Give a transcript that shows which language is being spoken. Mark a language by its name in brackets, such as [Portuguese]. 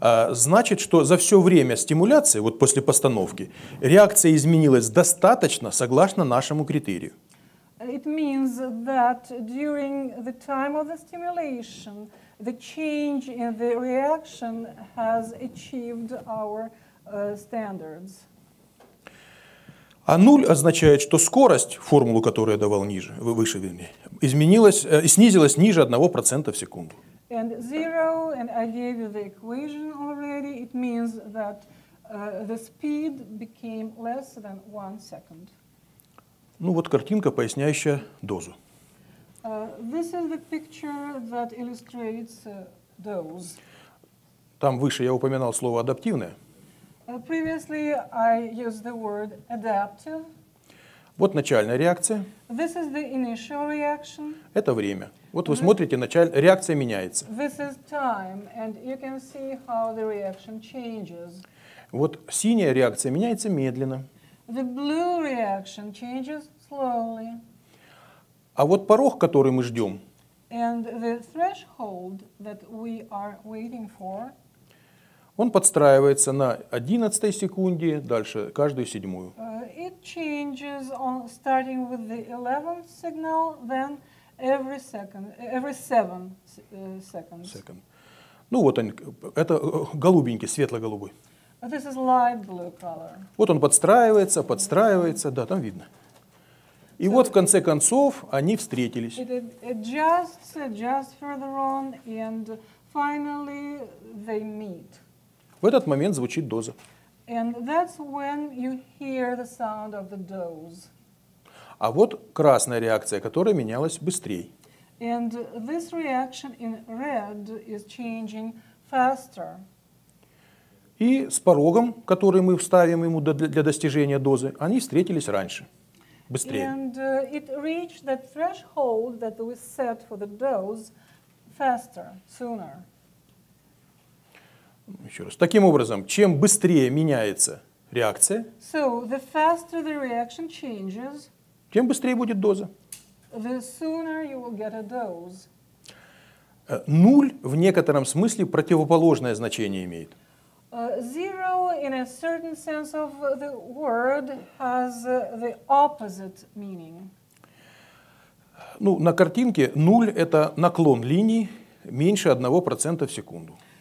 [Russian] Значит, что за все время стимуляции, вот после постановки, реакция изменилась достаточно согласно нашему критерию. [English] It means that during the time of the stimulation, the change in the reaction has achieved our standards. [Russian] А нуль означает, что скорость, формулу, которую я давал ниже, выше, вернее, изменилась, снизилась ниже 1% в секунду. [English] And zero, and I gave you the equation already, it means that the speed became less than 1 second. [Russian] Ну вот картинка, поясняющая дозу. [English] This is the picture that illustrates dose. [Russian] Там выше я упоминал слово адаптивное. [English] Previously I used the word adaptive. [Russian] Вот начальная реакция. [English] This is the initial reaction. [Russian] Это время. Вот вы смотрите, реакция меняется. [English] This is time, and you can see how the reaction changes. [Russian] Вот синяя реакция меняется медленно. [English] The blue reaction changes slowly. [Russian] А вот порог, который мы ждем. [English] And the threshold that we are waiting for. [Russian] Он подстраивается на 11 секунде, дальше каждую седьмую. [English] It changes on starting with the 11th signal, then every second, every 7 seconds. Second. [Russian] Ну вот он, это голубенький, светло-голубой. [English] This is light blue color. [Russian] Вот он подстраивается, да, там видно. И [English] so [Russian] вот в конце концов они встретились. [English] It adjusts just further on, and finally they meet. [Russian] В этот момент звучит доза. [English] And that's when you hear the sound of the dose. [Russian] А вот красная реакция, которая менялась быстрее. [English] And this reaction in red is changing faster. [Russian] И с порогом, который мы вставим ему для достижения дозы, они встретились раньше, быстрее. [English] And it reached that threshold that we set for the dose faster, sooner. [Russian] Еще раз. Таким образом, чем быстрее меняется реакция, [English] so, the faster the reaction changes, [Russian] тем быстрее будет доза. [English] The sooner you will get a dose. [Russian] Нуль в некотором смысле противоположное значение имеет. [English] Zero, in a certain sense of the word, has the opposite meaning. [Russian] Ну, на картинке нуль — это наклон линии меньше 1% в секунду.